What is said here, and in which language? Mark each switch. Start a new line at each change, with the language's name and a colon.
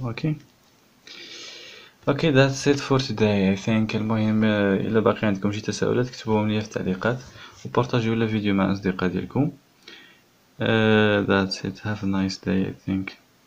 English: Okay okay, that's it for today I think.
Arabic: المهم الى باقي عندكم شي تساؤلات كتبوهم لي في التعليقات وبارطاجيو لا فيديو مع اصدقاء ديالكم.
English: That's it, have a nice day I think.